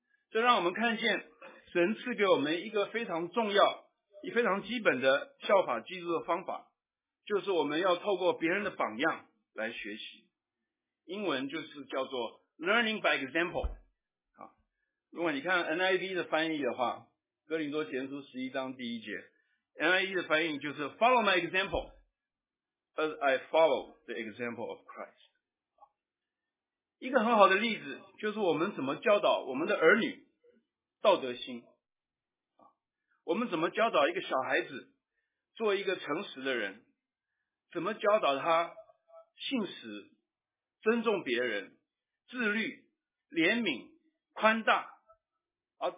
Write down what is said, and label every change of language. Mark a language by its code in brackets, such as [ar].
[zh] 这让我们看见神赐给我们一个非常重要也非常基本的效法基督的方法，就是我们要透过别人的榜样来学习，英文就是叫做 [en] learning by example。 [zh] 如果你看 NIV 的翻译的话，哥林多前书11章第一节， NIV 的翻译就是 [en] follow my example as I follow the example of Christ。 [zh] 一个很好的例子就是我们怎么教导我们的儿女道德心，我们怎么教导一个小孩子做一个诚实的人，怎么教导他信实、尊重别人、自律、怜悯、宽大啊？